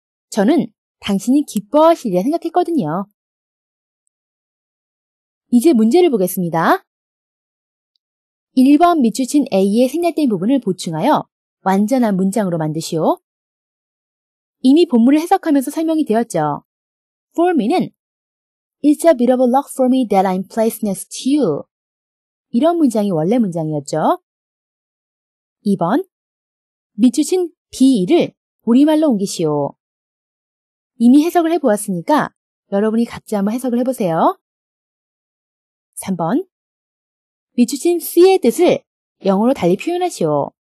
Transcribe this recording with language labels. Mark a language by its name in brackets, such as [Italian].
[Korean] 저는 당신이 기뻐하시리라 생각했거든요. 이제 문제를 보겠습니다. 1번 밑줄친 A의 생략된 부분을 보충하여 완전한 문장으로 만드시오. 이미 본문을 해석하면서 설명이 되었죠. [English] For me는 It's a bit of a luck for me that I'm placed next to you. [Korean] 이런 문장이 원래 문장이었죠. 2번 밑줄친 B를 우리말로 옮기시오. 이미 해석을 해보았으니까 여러분이 각자 한번 해석을 해보세요. 3번 밑줄친 C의 뜻을 영어로 달리 표현하시오.